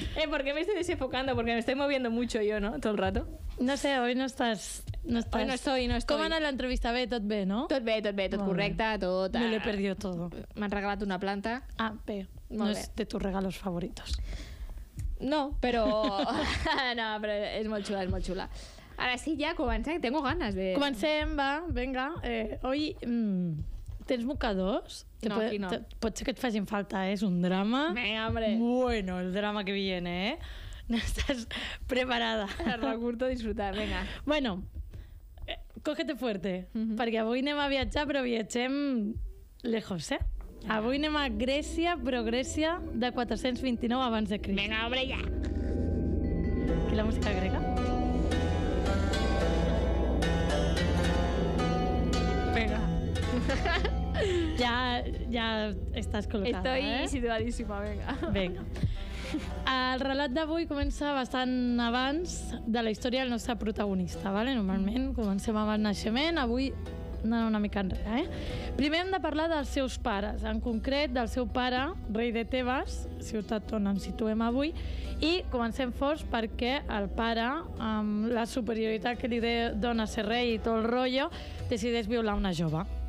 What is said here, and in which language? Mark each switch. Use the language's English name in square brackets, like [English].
[Spanish] ¿Por qué me estoy desenfocando? Porque me estoy moviendo mucho yo, ¿no? Todo el rato. No sé, hoy no estás... Hoy no estoy. ¿Cómo anda la entrevista? [Catalan] ¿Ve? ¿Tot bé, no? Tot bé, tot correcte, tot... [Spanish] Me lo he perdido todo. Me han regalat una planta. [Catalan] Ah, bé. Molt no bé. [Spanish] És de tus regalos favoritos. [Catalan] No, però... no, però és molt xula, és molt xula. Ara sí, ja comencem. [Spanish] Tengo ganas de... [Catalan] Comencem, va, venga. [Spanish] Hoy... [Catalan] Tens mocadors? No, aquí no. Pot ser que et facin falta, és un drama. [Spanish] Venga, hombre. Bueno, el drama que viene, [Catalan] No estàs preparada. [Spanish] Arnau Curto, disfrutar, venga. [Catalan] Bueno, [Spanish] cógete fuerte, [Catalan] perquè avui anem a viatjar, però viatgem lejos, Avui anem a Grècia, però Grècia de 429 abans de Crist. [Spanish] Venga, hombre, ya. [Catalan] Aquí la música grega. [Spanish] Venga. [Catalan] Ja estàs col·locada. [Spanish] Estoy situadíssima, venga. [Catalan] El relat d'avui comença bastant abans de la història del nostre protagonista, ¿vale? Normalment comencem amb el naixement, avui anant una mica enrere. Primer hem de parlar dels seus pares, en concret del seu pare, rei de Tebes, ciutat on ens situem avui, i comencem forts perquè el pare, amb la superioritat que li dona ser rei i tot el rotllo, decideix violar una jove.